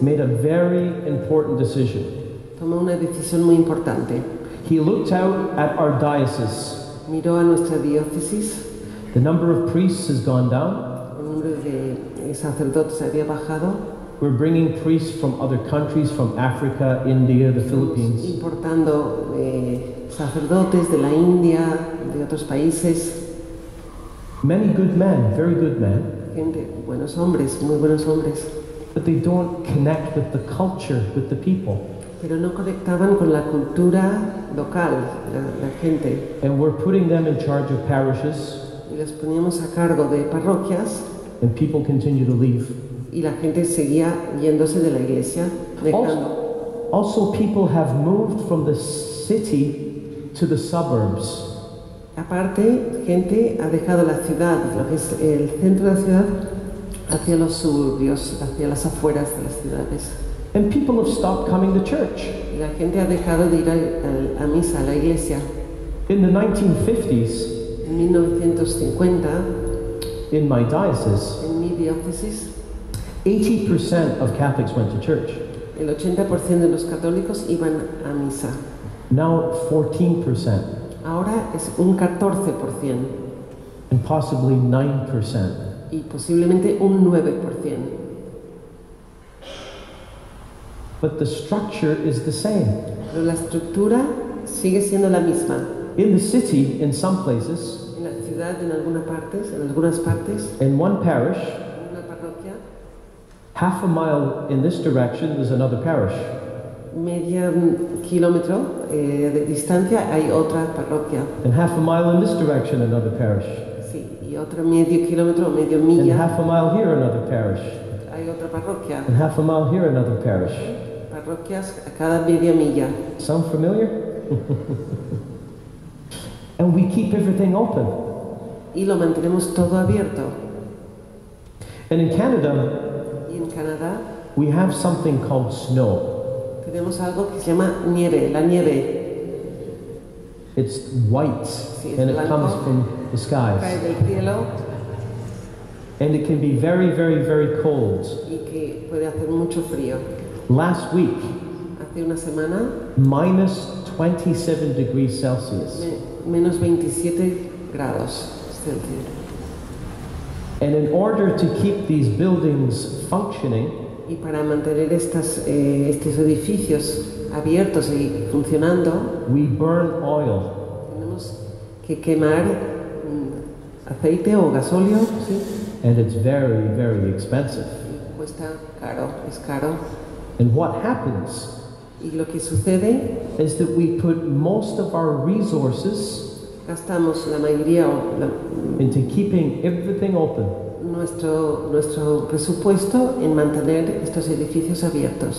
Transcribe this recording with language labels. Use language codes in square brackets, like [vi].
[en] made a very important decision. [es] Tomó una decisión muy importante. [en] He looked out at our diocese. [es] Miró a nuestra diócesis. [en] The number of priests has gone down. [es] El número de sacerdotes había bajado. [en] We're bringing priests from other countries, from Africa, India, the Philippines. [es] Importando sacerdotes de la India, de otros países. [en] Many good men, very good men. [es] Gente, buenos hombres, muy buenos hombres. [en] But they don't connect with the culture, with the people. [es] Pero no conectaban con la cultura local, la gente. [en] And we're putting them in charge of parishes. [es] Y las poníamos a cargo de parroquias. [en] And people continue to leave. [es] Y la gente seguía yéndose de la iglesia, dejando. [en] Also people have moved from the city to the suburbs. [es] Aparte, gente ha dejado la ciudad, lo que es el centro de la ciudad, hacia los suburbios, hacia las afueras de las ciudades. [en] And people have stopped coming to church. [es] La gente ha dejado de ir a misa, a la iglesia. [en] In the 1950s, [es] en 1950, [en] in my diocese, [es] en mi diócesis, [en] 80% of Catholics went to church. [es] El 80% de los católicos iban a misa. [en] Now 14%. [es] Ahora es un 14%. [en] And possibly 9%. [es] Y posiblemente un 9%. [en] But the structure is the same. [es] Pero la estructura sigue siendo la misma. [en] In the city, in some places. [es] En la ciudad, en algunas partes, en algunas partes. [en] In one parish. [es] En una parroquia. [en] Half a mile in this direction is another parish. [es] Medio kilómetro de distancia hay otra parroquia. [en] And half a mile in this direction another parish. [es] Sí, y otro medio kilómetro, medio milla. [en] And half a mile here another parish. [es] Hay otra parroquia. [en] And half a mile here another parish. [es] Parroquias a cada media milla. [en] Sound familiar? And we keep everything open. [es] Y lo mantenemos todo abierto. [en] And in Canada, [es] y en Canadá, [en] we have something called snow. [es] Tenemos algo que se llama nieve, la nieve. [en] It's white, [es] sí, [en] and [es] blanco. [en] It comes from the skies. [es] Cae del cielo. [en] And it can be very, very, very cold. [es] Y que puede hacer mucho frío. [en] Last week, [es] hace una semana, [en] minus 27 degrees Celsius. [es] Menos 27 grados Celsius. [en] And in order to keep these buildings functioning, [es] y para mantener estos edificios abiertos y funcionando, [en] we burn oil. [es] Tenemos que quemar aceite o gasóleo, sí. [en] And it's very, very expensive. [es] Cuesta caro, es caro. [en] And what happens? [es] Y lo que sucede [en] is that we put most of our resources. [es] gastamos la mayoría o la, [en] into keeping everything open, [es] nuestro presupuesto en mantener estos edificios abiertos.